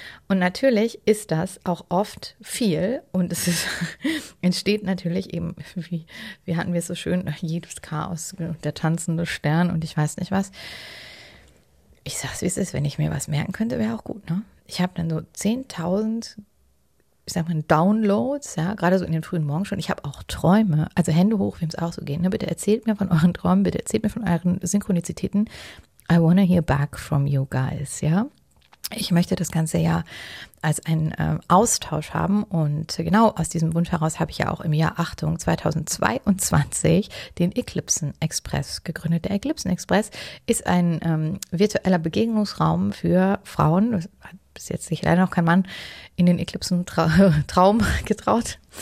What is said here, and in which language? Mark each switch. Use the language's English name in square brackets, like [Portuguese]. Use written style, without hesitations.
[German] Und natürlich ist das auch oft viel und es ist, entsteht natürlich eben, wie hatten wir es so schön, jedes Chaos, der tanzende Stern und ich weiß nicht was. Ich sag's, wie es ist, wenn ich mir was merken könnte, wäre auch gut, ne? Ich habe dann so 10.000, ich sag mal, Downloads, ja, gerade so in den frühen Morgen schon. Ich habe auch Träume, also Hände hoch, wem es auch so geht, ne? Bitte erzählt mir von euren Träumen, bitte erzählt mir von euren Synchronizitäten. [English] I want to hear back from you guys, ja? [German] Ich möchte das Ganze ja als einen Austausch haben und genau aus diesem Wunsch heraus habe ich ja auch im Jahr, Achtung, 2022 den Eclipsen Express gegründet. Der Eclipsen Express ist ein virtueller Begegnungsraum für Frauen, bis jetzt sich leider noch kein Mann in den Eclipsen-Traum getraut.